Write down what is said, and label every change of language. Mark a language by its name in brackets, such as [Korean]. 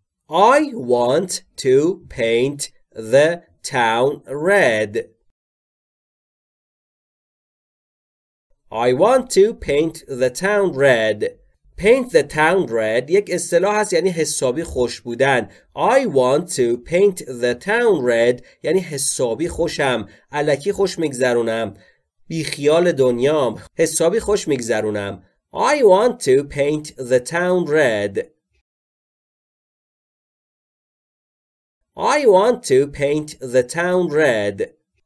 [English] I want to paint the town red. I want to paint the town red. Paint the town red [Persian] یک اصطلاح هست یعنی حسابی خوش بودن. [English] I want to paint the town red [Persian] یعنی حسابی خوشم، الکی خوش میگذرونم، بی خیال دنیام، حسابی خوش میگذرونم. [English] I want to paint the town red. I want to paint the town red.